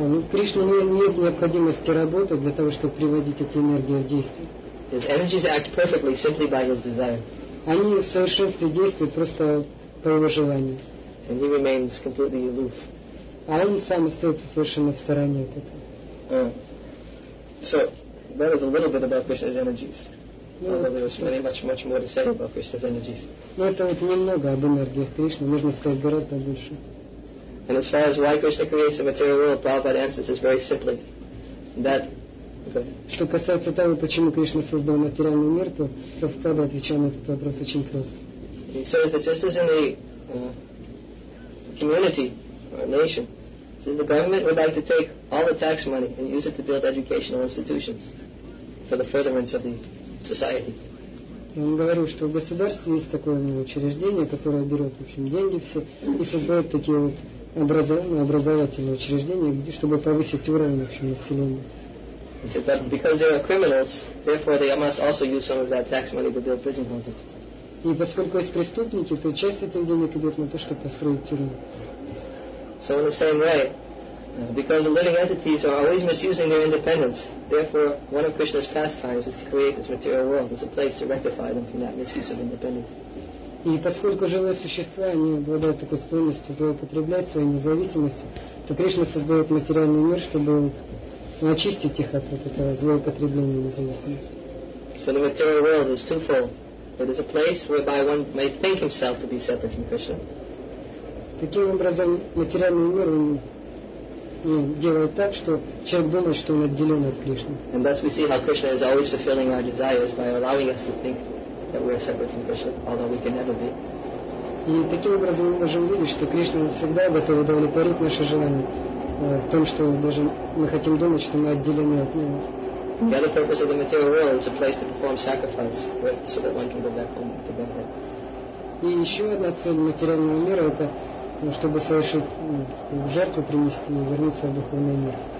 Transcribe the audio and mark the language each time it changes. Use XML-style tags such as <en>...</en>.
<ru>Кришна не имеет необходимости работать для того, чтобы приводить эти энергии в действие.</ru> <en>His energies act perfectly simply by his desire.</en> <ru>Они в совершенстве действуют просто по его желанию.</ru> <en>And he remains completely aloof.</en> <ru>А он сам остается совершенно в стороне от этого.</ru> <en>So that is a little bit about Krishna's energies.</en> <ru>Но это вот немного об энергиях Кришны, можно сказать гораздо больше.</ru> <en>And as far as why Krishna creates the material world, Prabhupada answers this very simply. That</en> <ru>что касается того, почему Кришна создал материальный мир, то Прабхупада отвечал на этот вопрос очень просто.</ru> <en>He says that just as in the community or nation, since the government would like to take all the tax money and use it to build educational institutions for the furtherance of the society.</en> <ru>Он говорил, что в государстве есть такое учреждение, которое берет, в общем, деньги все и создает такие вот образовательные учреждения, чтобы повысить уровень, в общем, населения.</ru> <en>He said that because they are criminals, therefore they must also use some of that tax money to build prison houses.</en> <ru>И поскольку есть преступники, то часть этих денег идет на то, чтобы построить тюрьмы.</ru> <en>So in the same way, because the living entities are always misusing their independence, therefore one of Krishna's pastimes is to create this material world as a place to rectify them from that misuse of independence.</en> <ru>И поскольку живые существа, они обладают такой склонностью злоупотреблять своей независимостью, то Кришна создает материальный мир, чтобы очистить их от вот этого злоупотребления независимости.</ru> <en>So the material world is twofold. It is a place whereby one may think himself to be separate from Krishna.</en> <ru>Таким образом, материальный мир, он делает так, что человек думает, что он отделен от Кришны.</ru> <en>And thus we see how Krishna is always fulfilling our desires by allowing us to think that we are separate from Krishna, although we can never be.</en> <ru>И таким образом мы можем видеть, что Кришна всегда готов удовлетворить наши желания в том, что даже мы хотим думать, что мы отделены от Него.</ru> <en>The other purpose of the material world is a place to perform sacrifice so that one can go back home to Godhead.</en> <ru>И еще одна цель материального мира — это чтобы совершить жертву, принести и вернуться в духовный мир.</ru>